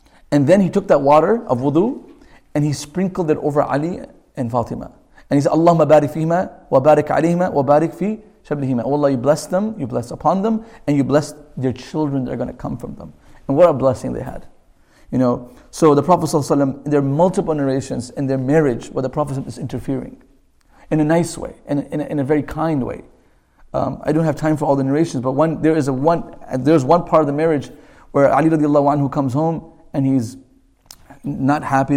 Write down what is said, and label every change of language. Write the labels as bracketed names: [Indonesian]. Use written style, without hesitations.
[English] And then he took that water of wudu and he sprinkled it over Ali and Fatima. And he said, [Arabic] اللهم بارك فيهما وبارك عليهما وبارك في شبلهما. [English] Oh Allah, you bless them, you bless upon them, and you bless their children that are going to come from them. And what a blessing they had. You know, so the Prophet ﷺ, there are multiple narrations in their marriage where the Prophet is interfering in a nice way, in a very kind way. I don't have time for all the narrations, but there's one part of the marriage where Ali radiallahu anhu comes home and he's not happy.